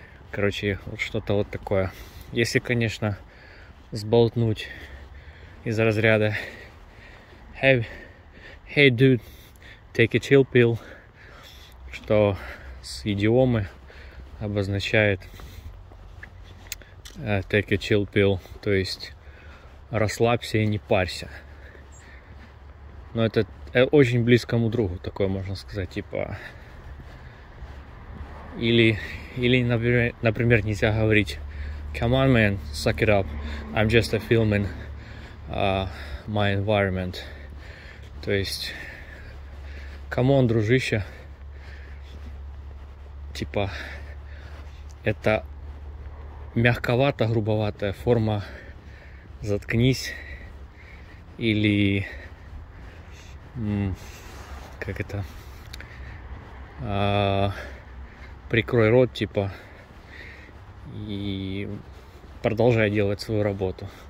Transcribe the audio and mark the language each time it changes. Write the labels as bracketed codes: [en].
[ru] Короче, вот что-то вот такое. Если, конечно, сболтнуть из разряда [en] hey dude, take a chill pill, [ru] что с идиомы обозначает [en] take a chill pill, [ru] то есть расслабься и не парься. Но это очень близкому другу такое можно сказать, типа. Или например, нельзя говорить [en] come on, man, suck it up. I'm just a filming my environment. [ru] То есть, [en] come on, [ru] дружище. Типа, это мягковато, грубоватая форма заткнись. Или, как это, прикрой рот, типа, и продолжай делать свою работу.